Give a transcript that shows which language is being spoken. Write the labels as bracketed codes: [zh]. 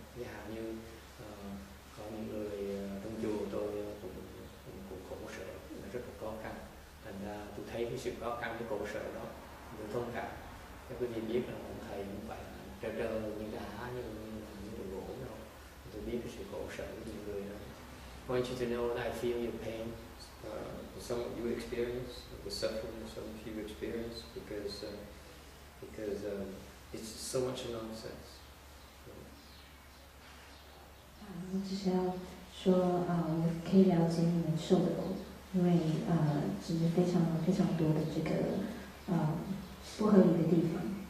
[vi] Ví dụ như có những người trong chùa tôi cũng khổ sở, rất là khó khăn. Thành ra tôi thấy cái sự khó khăn, cái khổ sở đó, tôi thông cảm. Các quý vị biết là ông thầy cũng phải trơ trơ như đá, như đồ gỗ đâu. Tôi biết cái sự khổ sở của những người đó. [en] Want you to know that I feel your pain. Some of you experience the suffering, some of you experience because it's so much nonsense. [zh] 就是要说啊，我可以了解你们受的苦，因为其实非常非常多的这个不合理的地方。